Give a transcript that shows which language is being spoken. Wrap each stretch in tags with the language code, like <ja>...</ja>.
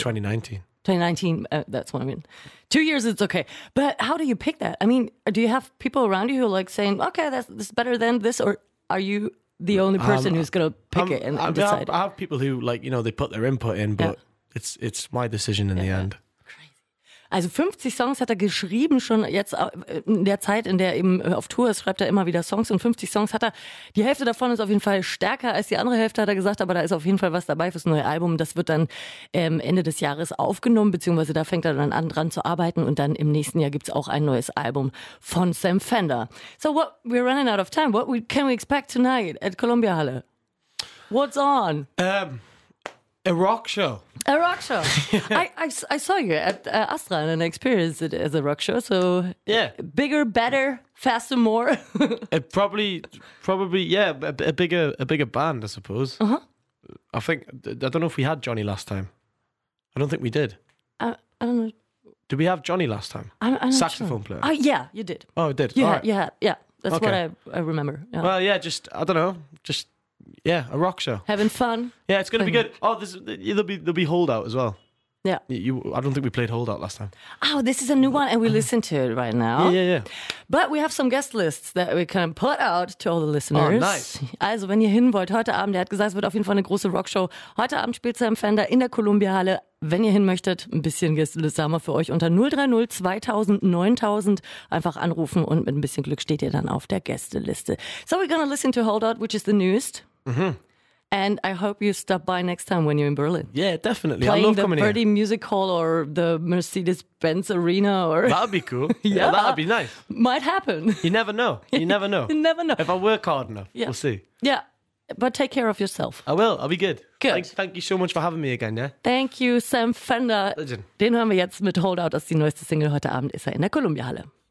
<en>2019, that's what I mean. 2 years, it's okay. But how do you pick that? I mean, do you have people around you who are like saying, okay, this is better than this, or are you the only person who's going to pick it and decide? I have people who, like, you know, they put their input in, but... Yeah. It's my decision in the end. Crazy.</en> <de>Also 50 Songs hat er geschrieben schon jetzt in der Zeit, in der er eben auf Tour ist, schreibt er immer wieder Songs. Und 50 Songs hat er, die Hälfte davon ist auf jeden Fall stärker als die andere Hälfte, hat er gesagt. Aber da ist auf jeden Fall was dabei fürs neue Album. Das wird dann Ende des Jahres aufgenommen, beziehungsweise da fängt er dann an, dran zu arbeiten. Und dann im nächsten Jahr gibt's auch ein neues Album von Sam Fender.</de> <en>So what, we're running out of time. What can we expect tonight at Columbia Halle? What's on? A rock show. A rock show. I saw you at Astra and I experienced it as a rock show. So yeah, bigger, better, faster, more. a bigger band, I suppose. Uh-huh. I think I don't know if we had Johnny last time. I don't think we did. I don't know. Did we have Johnny last time? I'm saxophone sure. player. Oh, yeah, you did. Oh, I did. Yeah. That's okay. what I remember. Yeah. Well, yeah, just, I don't know. Just, yeah, a rock show. Having fun. Yeah, it's going to be good. Oh, there'll be Holdout as well. Yeah. I don't think we played Holdout last time. Oh, this is a new one and we listen to it right now. Yeah. But we have some guest lists that we can put out to all the listeners. Oh, nice.</en> <de>Also, wenn ihr hin wollt, heute Abend, er hat gesagt, es wird auf jeden Fall eine große Rockshow. Heute Abend spielt Sam Fender in der Columbia-Halle. Wenn ihr hin möchtet, ein bisschen Gästeliste haben wir für euch unter 030 2000 9000. Einfach anrufen und mit ein bisschen Glück steht ihr dann auf der Gästeliste.</de> <en>So we're gonna listen to Holdout, which is the newest. Mhm. And I hope you stop by next time when you're in Berlin. Yeah, definitely. Playing I love coming here. Playing the Birdie Music Hall or the Mercedes-Benz Arena. Or that'd be cool. Yeah. That would be nice. Might happen. You never know. You never know. If I work hard enough, yeah. We'll see. Yeah. But take care of yourself. I will. I'll be good. Good. Thank you so much for having me again, yeah? Thank you, Sam Fender. Legend.</en> <de>Den hören wir jetzt mit Holdout aus die neueste Single. Heute Abend ist in der Columbia-Halle.</de>